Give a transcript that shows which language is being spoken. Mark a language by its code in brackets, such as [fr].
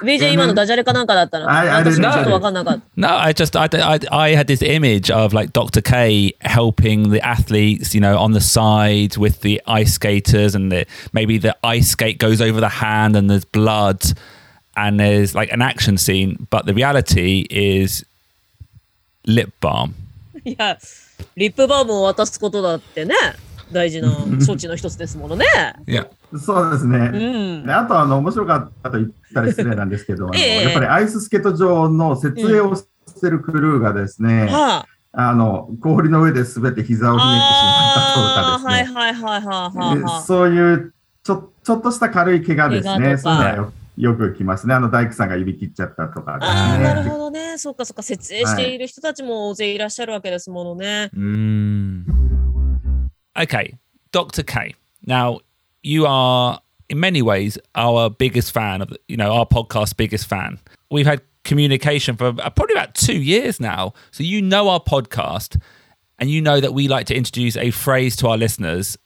[ja] VJ, 今のダジャレかなんかだったの？私ちょっと分かんなかった。 [en] No, I had this image of like Dr. K helping the athletes, you know, on the side with the ice skaters, and maybe the ice skate goes over the hand and there's blood and there's like an action scene, but the reality is lip balm. Yes. [ja] リップバームを渡すことだってね、大事な処置の一つですものね。いや、そうですね。うん、あと面白かったと言ったら失礼なんですけど、やっぱりアイススケート場の設営をしてるクルーがですね、氷の上で滑って膝をひねってしまったとかですね。はいはいはいはいはい。そういうちょっとした軽い怪我ですね。怪我とか。よく来ますね。大工さんが指切っちゃったとか、ね。ああ、なるほどね。そっかそっか。設営している人たちも大勢いらっしゃるわけですものね。 [en] はい、okay, Dr. K. Now, you are, in many ways, our biggest fan of, you know, our podcast's biggest fan. We've had communication for probably about 2 years now. So you know our podcast, and you know that we like to introduce a phrase to our listeners.